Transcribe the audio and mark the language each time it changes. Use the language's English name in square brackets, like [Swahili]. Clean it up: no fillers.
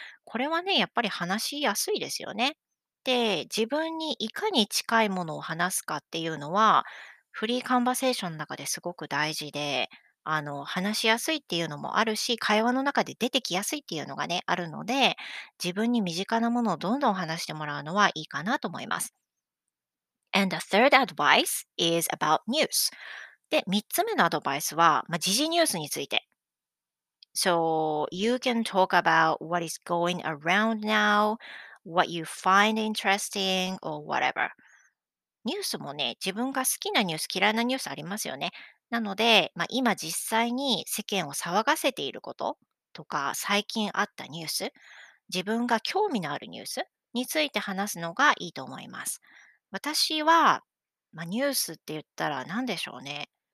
[Japanese] これはね、やっぱり話しやすいですよね。で、自分にいかに近いものを話すかっていうのは、フリーカンバセーションの中ですごく大事で、話しやすいっていうのもあるし、会話の中で出てきやすいっていうのがね、あるので、自分に身近なものをどんどん話してもらうのはいいかなと思います。 [English] And the third advice is about news. [Japanese] で、三つ目のアドバイスは、まあ、時事ニュースについて。 [English] So, you can talk about what is going around now,What you find interesting or whatever. [Japanese] ニュースもね、自分が好きなニュース、嫌いなニュースありますよね。なので、まあ、今実際に世間を騒がせていることとか、最近あったニュース、自分が興味のあるニュースについて話すのがいいと思います。私は、まあ、ニュースって言ったら何でしょうね。